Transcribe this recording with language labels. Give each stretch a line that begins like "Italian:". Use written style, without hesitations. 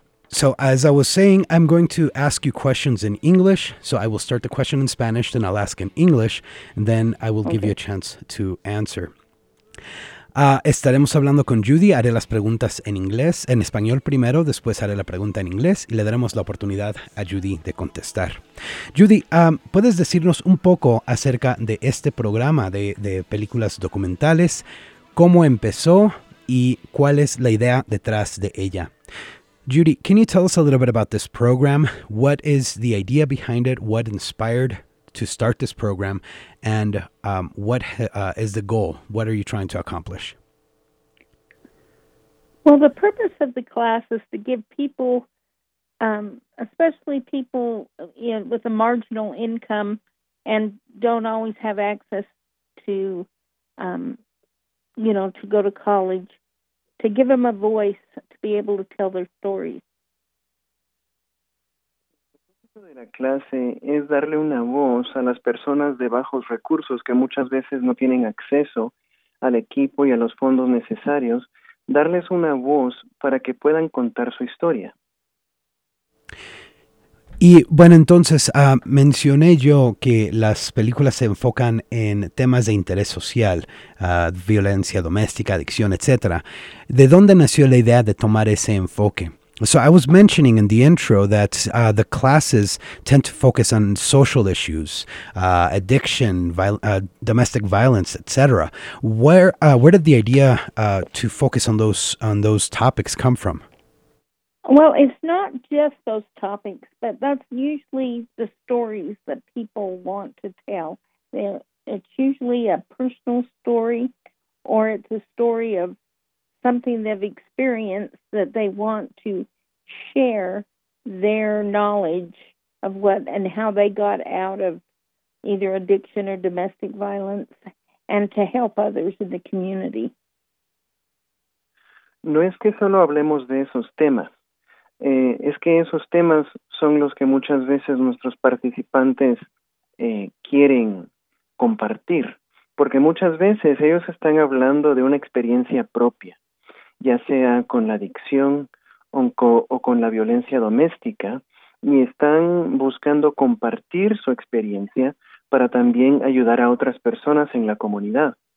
English: So as I was saying, I'm going to ask you questions in English. So I will start the question in Spanish, then I'll ask in English, and then I will give you a chance to answer.
Spanish: Estaremos hablando con Judy, haré las preguntas en inglés, en español primero, después haré la pregunta en inglés y le daremos la oportunidad a Judy de contestar. Judy, ¿puedes decirnos un poco acerca de este programa de películas documentales? ¿Cómo empezó y cuál es la idea detrás de ella?
English: Judy, can you tell us a little bit about this program? What is the idea behind it? What inspired to start this program? And what is the goal? What are you trying to accomplish? Well, the purpose of the class is to give people, especially people with a marginal income and don't always have access to, to go to college, to give them a voice to be able to tell their stories.
Spanish: De la clase es darle una voz a las personas de bajos recursos que muchas veces no tienen acceso al equipo y a los fondos necesarios, darles una voz para que puedan contar su historia. Y bueno, entonces mencioné yo que las películas se enfocan en temas de interés social, violencia doméstica, adicción, etcétera. ¿De dónde nació la idea de tomar ese enfoque?
English: So I was mentioning in the intro that the classes tend to focus on social issues, addiction, domestic violence, etc. Where did the idea to focus on those topics come from? Well, it's not just those topics, but that's usually the stories that people want to tell. It's usually a personal story, or it's a story of something they've experienced that they want to share their knowledge of what and how they got out of either addiction or domestic violence and to help others in the community.
Spanish: No es que solo hablemos de esos temas. Es que esos temas son los que muchas veces nuestros participantes quieren compartir, porque muchas veces ellos están hablando de una experiencia propia, ya sea con la adicción o con la violencia doméstica, y están buscando compartir su experiencia para también ayudar a otras personas en la comunidad.